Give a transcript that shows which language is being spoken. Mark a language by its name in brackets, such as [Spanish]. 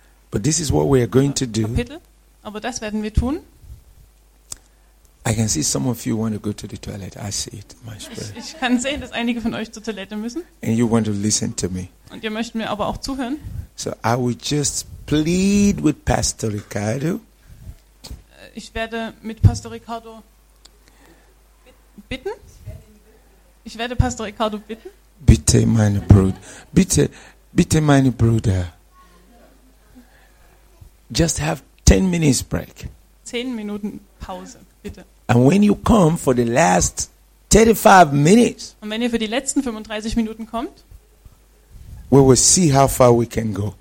[English] But this is what we are going to do. [German] Kapitel. Aber das werden wir tun. [English] I can see some of you want to go to the toilet. I see it, my spirit. [German] Ich kann sehen, dass einige von euch zur Toilette müssen. [English] And you want to listen to me. [German] Und ihr möchtet mir aber auch zuhören. [English] So I will just plead with Pastor Ricardo. [German] Ich werde mit Pastor Ricardo bitten. Ich werde Pastor Ricardo bitten. Bitte meine Bruder. Bitte meine Bruder. [English] Just have 10 minutes break. [German] 10 Minuten Pause, bitte. [English] And when you come for the last 35 minutes. [German] Und wenn ihr für die letzten 35 Minuten kommt. [English] We will see how far we can go.